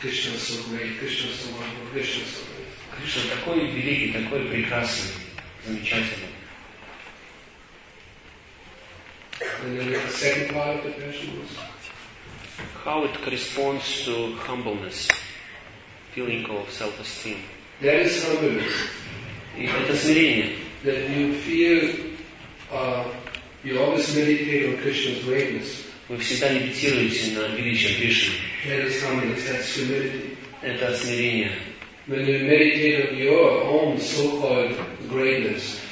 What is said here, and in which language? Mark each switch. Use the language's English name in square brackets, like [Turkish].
[Russian] Кришна такой великий, такой прекрасный, замечательный. [English] And then the second part of the question was? How it corresponds to humbleness, feeling of self-esteem. That is humbleness. [Russian] Это смирение. [English] That you feel, you always meditate on Krishna's greatness. [Russian] Вы всегда медитируете на величие Кришны. [English] That is humbleness, that's humility. [Russian] Это смирение. [English] When you meditate on your own so-called greatness,